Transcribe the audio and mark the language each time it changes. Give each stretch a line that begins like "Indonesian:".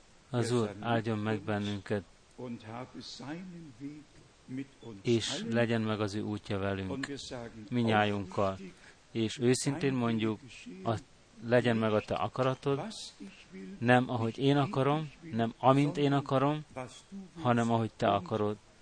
Hungarian: az Úr áldjon meg bennünket,
German: und habe seinen Weg mit uns
Hungarian: és allen, legyen meg az ő útja velünk, minnyájunkkal, és őszintén mondjuk, legyen meg a te akaratod, nem ahogy én akarom, nem amint én akarom, hanem ahogy te akarod.